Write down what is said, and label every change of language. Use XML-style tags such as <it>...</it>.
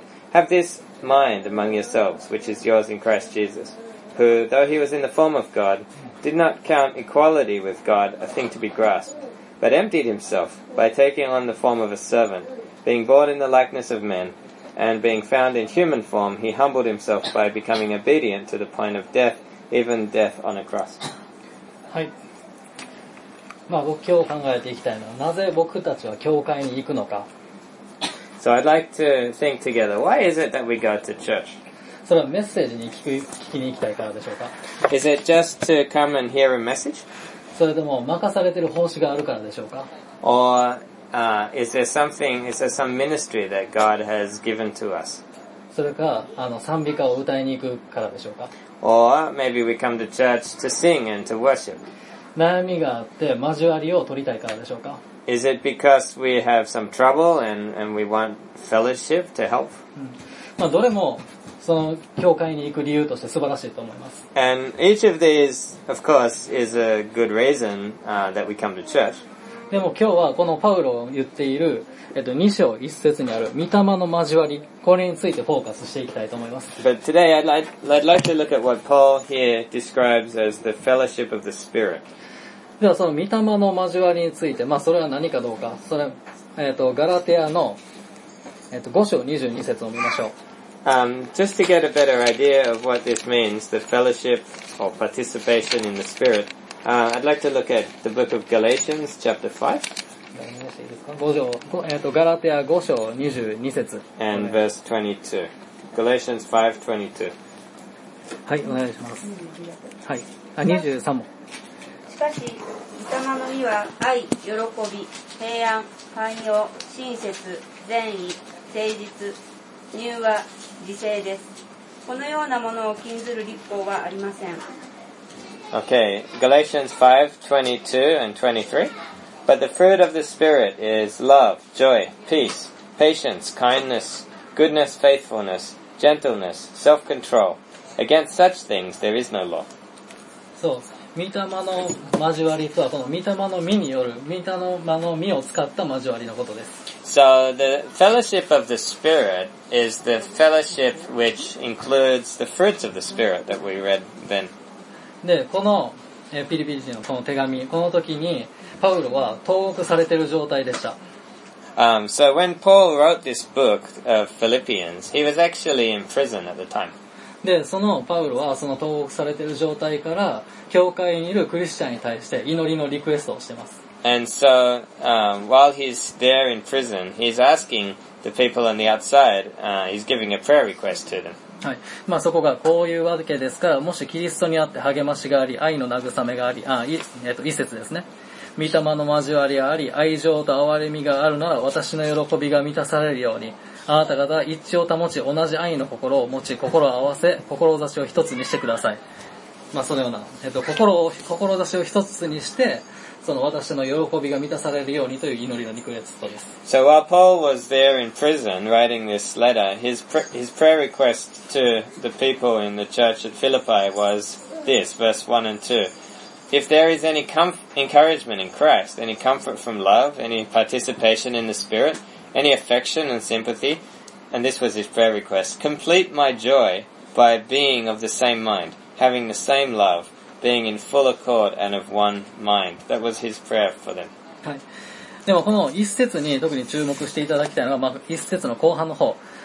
<en>Have this mind among yourselves, which is yours in Christ Jesus, who, though he was in the form of God, did not count equality with God a thing to be grasped, but emptied himself by taking on the form of a servant, being born in the likeness of men, and being found in human form, he humbled himself by becoming obedient to the point of death, even death on a cross. Hi.</en> <ja>まあ、僕今日考えていきたいのは、なぜ僕たちは教会に行くのか。</ja> <en>So I'd like to think together, why is it that we go to church?</en> <ja>それはメッセージに聞きに行きたいからでしょうか。</ja> <en>Is it just to come and hear a message?</en> <ja>それとも任されている奉仕があるからでしょうか。</ja> <en>Or, is there some ministry that God has given to us?</en> <ja>それか、賛美歌を歌いに行くからでしょうか。</ja> <en>Or maybe we come to church to sing and to worship.</en> <ja>悩みがあって交わりを取りたいからでしょうか。</ja> <en>Is it because we have some trouble and we want fellowship to help?、う</en> <ja>ん、まあ、どれもその教会に行く理由として素晴らしいと思います。</ja> <en>And each of these, of course, is a good reason, that we come to church.</en> <ja>でも今日はこのパウロを言っている、2章1節にある御霊の交わり、これについてフォーカスしていきたいと思います。</ja> <en>But today I'd like to look at what Paul here describes as the fellowship of the Spirit.</en> <ja>ではその御霊の交わりについて、まあ、それは何かどうか、それ、ガラテヤの、5章22節を見ましょう。</ja> <en>Just to get a better idea of what this means, the fellowship or participation in the Spirit,I'd like to look at the book of Galatians, chapter</en> <ja>5. ガラテヤ5章22節。</ja> <en>And verse 22. Galatians 5:22.</en> <ja>はい、お願いします。はい。あ、23も。しかし、御霊の実は愛、喜び、平安、寛容、親切、善意、誠実、柔和、自制です。このようなものを禁ずる律法はありません。</ja> <en>Okay, Galatians 5:22 and 23. But the fruit of the Spirit is love, joy, peace, patience, kindness, goodness, faithfulness, gentleness, self-control. Against such things there is no law.</en> <ja>そう、御霊の交わりとはこの御霊の実による御霊の実を使った交わりのことです。</ja> <en>So the fellowship of the Spirit is the fellowship which includes the fruits of the Spirit that we read then.</en> <ja>で、このフィリピン人のこの手紙、この時にパウロは投獄されている状態でした。</ja> <en>So when Paul wrote this book of Philippians, he was actually in prison at the time.</en> <ja>で、そのパウロはその投獄されている状態から教会にいるクリスチャンに対して祈りのリクエストをしています。</ja> <en>And so, while he's there in prison, he's asking the people on the outside, he's giving a prayer request to them.</en> <ja>はい、まあ、そこがこういうわけですから、もしキリストにあって励ましがあり、愛の慰めがあり、一節ですね。御霊の交わりがあり、愛情と憐れみがあるなら、私の喜びが満たされるように、あなた方は一致を保ち、同じ愛の心を持ち、心を合わせ、志を一つにしてください。まあ、そのような、志を一つにして、その私の喜びが満たされるようにという祈りのリクエストです。</ja> <en>So while Paul was there in prison writing this letter, his prayer request to the people in the church at Philippi was this, verse 1 and 2. If there is any encouragement in Christ, any comfort from love, any participation in the Spirit, any affection and sympathy, and this was his prayer request, complete my joy by being of the same mind, having the same love,being in full accord and of one mind. That was his prayer for them.</en> <ja>はい。でもこの一節に特に注目していただきたいのは、まあ、一節の後半の方。</ja>